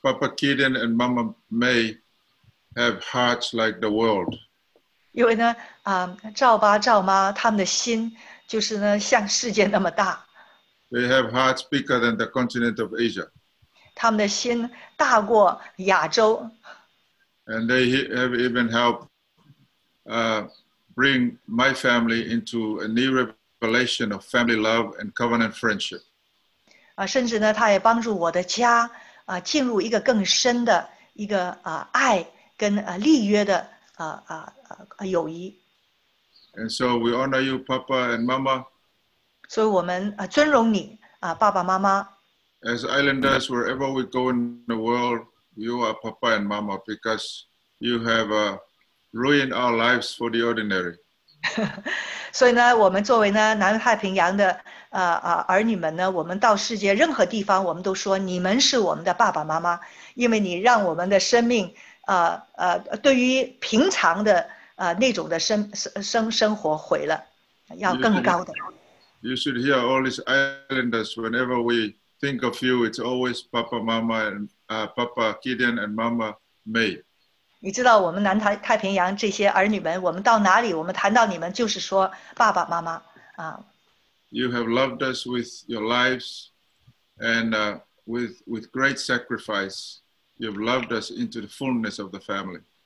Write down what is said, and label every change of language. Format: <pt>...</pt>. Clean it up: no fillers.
<en>Papa Gideon and Mama May have hearts like the world.</en> <zh>因为呢，赵爸赵妈他们的心就是呢像世界那么大。</zh> <en>They have hearts bigger than the continent of Asia.</en> <zh>他们的心大过亚洲。</zh> <en>And they have even helped bring my family into a new revelation of family love and covenant friendship.</en> <zh>甚至呢，他也帮助我的家进入一个更深的一个爱跟立约的友谊。</zh> <en>And so we honor you, Papa and Mama.</en> <zh>所以我们尊荣你，爸爸妈妈。</zh> <en>as islanders, wherever we go in the world, you are Papa and Mama, because you have ruined our lives for the ordinary.</en> <zh>所以呢，我们作为呢南太平洋的儿女们呢，我们到世界任何地方，我们都说你们是我们的爸爸妈妈，因为你让我们的生命，对于平常的那种的生活毁了，要更高的。</zh> <en>You should hear all these islanders whenever we think of you. It's always Papa, Mama, and Papa Gideon and Mama May.</en> <zh>你知道我们南太平洋这些儿女们，我们到哪里，我们谈到你们就是说爸爸妈妈。</zh> <en>You have loved us with your lives, and with great sacrifice, you have loved us into the fullness of the family.</en>